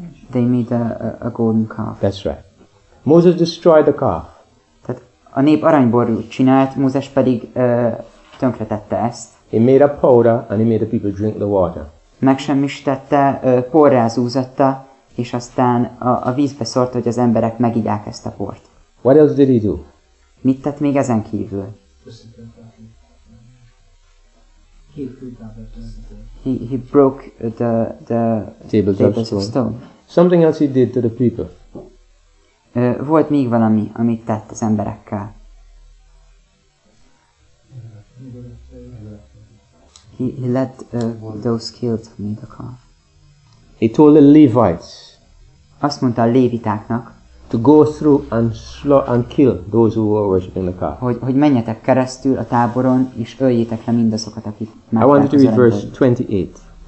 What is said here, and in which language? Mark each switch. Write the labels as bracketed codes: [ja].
[en] They made a golden calf. That's right. Moses destroyed the calf. [hu] Tehát a nép aranyborút csinált, Mózes pedig tönkretette ezt. [en] He made a powder, and he made the people drink the water. [hu] Megsemmisítette, porrá zúzatta, és aztán a vízbe szórta, hogy az emberek megigyák ezt a port. [en] What else did he do? [hu] Mit tett még ezen kívül? [en] He broke the tables of stone. Something else he did to the people. [hu] Volt még valami, amit tett az emberekkel. [en] He let those killed meet the calf. He told the Levites. [hu] Azt mondta a lévitáknak. [en] To go through and slaughter and kill those who were worshiping the calf. [hu] Hogy menjetek keresztül a táboron és öljétek le mindazokat, akik megtették. [en] I want to read verse 28.